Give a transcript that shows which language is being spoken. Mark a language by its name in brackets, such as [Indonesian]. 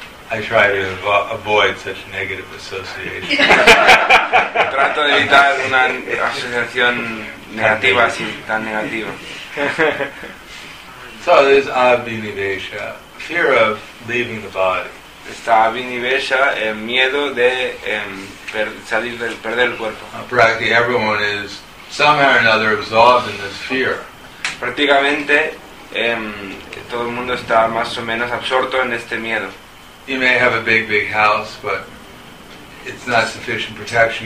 [English] I try to avoid such negative association. [Spanish] Trato de evitar una asociación negativa, así, tan negativa. [English] So there's abhinivesha, fear of leaving the body. [Spanish] Está abhinivesha, miedo de salir del perder el cuerpo. [English] Practically everyone is somehow or another absorbed in this fear. [Spanish] Prácticamente todo el mundo está más o menos absorto en este miedo. [English] You may have a big house, but it's not sufficient protection.